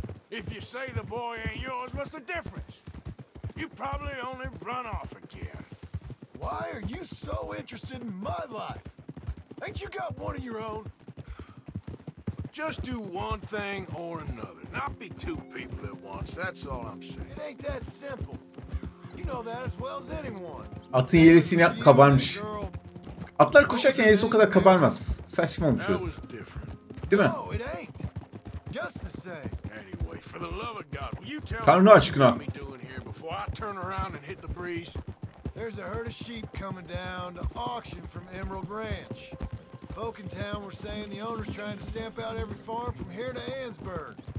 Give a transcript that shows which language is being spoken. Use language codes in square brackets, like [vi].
[en] If you say the boy ain't yours, what's the difference? You probably only run off again. Why are you so interested in my life? Ain't you got one of your own? Just do one thing or another. Not be two people at once. That's all I'm saying. It ain't that simple. You know that as well as anyone. [tr] Atın yelesini kabarmış. Atlar koşarken yelesi o kadar kabarmaz. Saçma olmuş orası. Değil mi? [en] No, it ain't. Just the same. Anyway, for the love of God, will you tell me what I'm doing here before I turn around and hit the breeze? There's a herd of sheep coming down to auction from Emerald Ranch. Folk in town were saying the owner's trying to stamp out every farm from here to Ansburg.